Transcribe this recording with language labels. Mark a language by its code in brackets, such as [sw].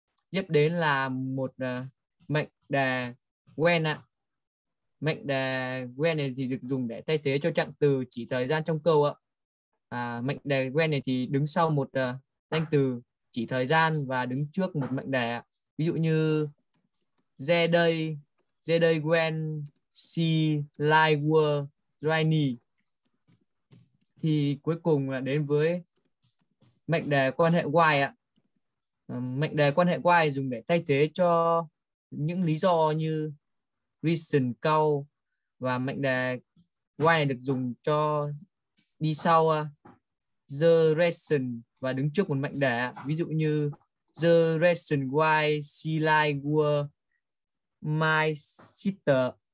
[vi] Tiếp đến là một mệnh đề when ạ. Mệnh đề when này thì được dùng để thay thế cho trạng từ chỉ thời gian trong câu ạ. Mệnh đề when này thì đứng sau một danh từ chỉ thời gian và đứng trước một mệnh đề. Ví dụ như [en] the day when she lied were rainy. [vi] Thì cuối cùng là đến với mệnh đề quan hệ why ạ. Mệnh đề quan hệ why dùng để thay thế cho những lý do như reason, cause. Và mệnh đề why được dùng cho đi sau the reason và đứng trước một mệnh đề. Ví dụ như [en] the reason why she lied were my sister.